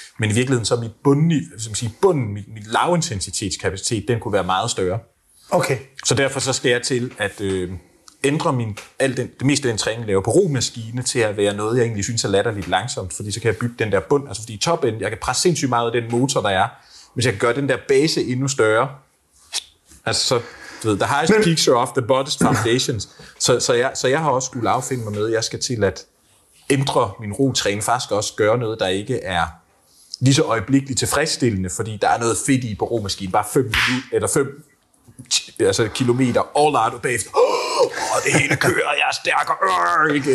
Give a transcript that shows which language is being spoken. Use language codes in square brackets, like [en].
[da] Men i virkeligheden, så er min lavintensitetskapacitet, den kunne være meget større. Okay. Så derfor så skal jeg til at ændre det meste af den træning, jeg laver på romaskine, til at være noget, jeg egentlig synes er latterligt langsomt, fordi så kan jeg bygge den der bund, altså fordi i topenden, jeg kan presse sindssygt meget af den motor, der er, hvis jeg kan gøre den der base endnu større. Altså så... [en] The highest peaks are off the bottom foundations. [da] Så jeg har også skulle affinde mig med, at jeg skal til at ændre min rotræning, faktisk også gøre noget, der ikke er lige så øjeblikkeligt tilfredsstillende, fordi der er noget fedt i på romaskinen. Bare 5 kilometer all out og bagefter. Oh, det hele kører, jeg er stærkere.